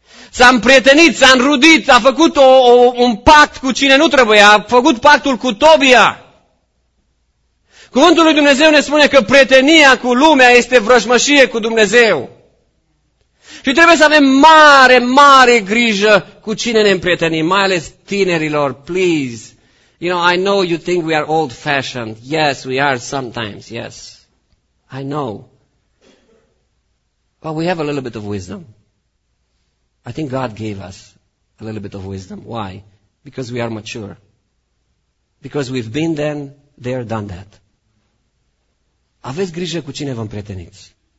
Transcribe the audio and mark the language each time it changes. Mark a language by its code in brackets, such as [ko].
[ro] S-a împrietenit, s-a înrudit, a făcut un pact cu cine nu trebuia, a făcut pactul cu Tobia. Cuvântul lui Dumnezeu ne spune că prietenia cu lumea este vrăjmășie cu Dumnezeu. Și trebuie să avem mare, mare grijă cu cine ne împrietenim, mai ales tinerilor, [en] please. You know, I know you think we are old-fashioned. Yes, we are sometimes, yes. I know. But we have a little bit of wisdom. I think God gave us a little bit of wisdom. Why? Because we are mature. Because we've been then, there, done that. [ro] Aveți grijă cu cine vă împrieteniți.